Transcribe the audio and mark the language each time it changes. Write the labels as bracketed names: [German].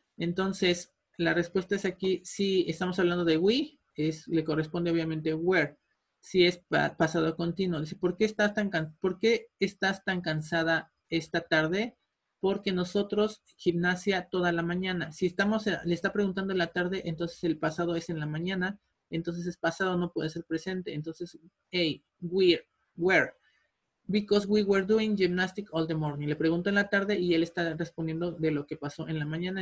[Spanish] Entonces, la respuesta es aquí, si estamos hablando de we, le corresponde obviamente where, si es pasado continuo. Dice, ¿por qué estás tan cansada esta tarde? Porque nosotros gimnasia toda la mañana. Si estamos, le está preguntando en la tarde, entonces el pasado es en la mañana, entonces es pasado, no puede ser presente. Entonces, hey, where. [English] Because we were doing gymnastics all the morning. [Spanish] Le pregunto en la tarde y él está respondiendo de lo que pasó en la mañana.